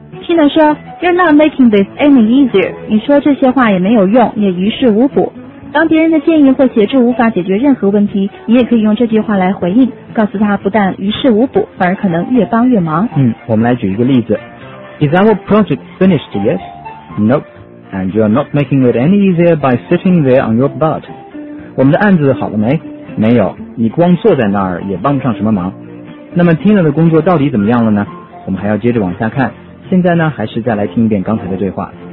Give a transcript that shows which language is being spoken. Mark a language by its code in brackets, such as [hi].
[zh] Tina 说 [en] You're not making this any easier， [zh] 你说这些话也没有用，也于事无补。当别人的建议或协助无法解决任何问题，你也可以用这句话来回应，告诉他不但于事无补，反而可能越帮越忙。我们来举一个例子。 [en] Is our project finished yet? Nope. And you're not making it any easier by sitting there on your butt. [zh] 我们的案子好了没？没有，你光坐在那儿也帮不上什么忙。那么 Tina 的工作到底怎么样了呢？我们还要接着往下看，现在呢，还是再来听一遍刚才的对话。